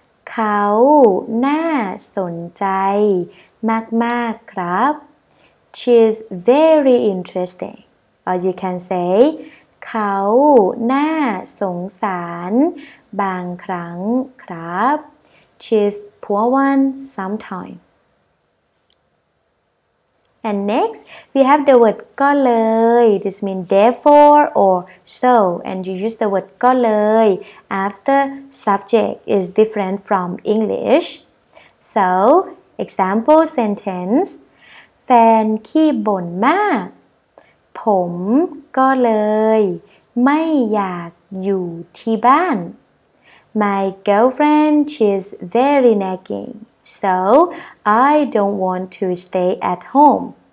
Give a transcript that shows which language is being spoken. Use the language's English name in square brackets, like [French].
[Thai] เขาน่าสนใจมากๆครับ [English] She is very interesting. Or you can say, [Thai] เขาน่าสงสารบางครั้งครับ [English] She is poor one sometimes. And next, we have the word ก็เลย This means therefore or so. And you use the word ก็เลย after subject is different from English. So, example sentence [Thai] แฟนขี้บ่นมากผมก็เลยไม่อยากอยู่ที่บ้าน [English] My girlfriend she's very nagging so I don't want to stay at home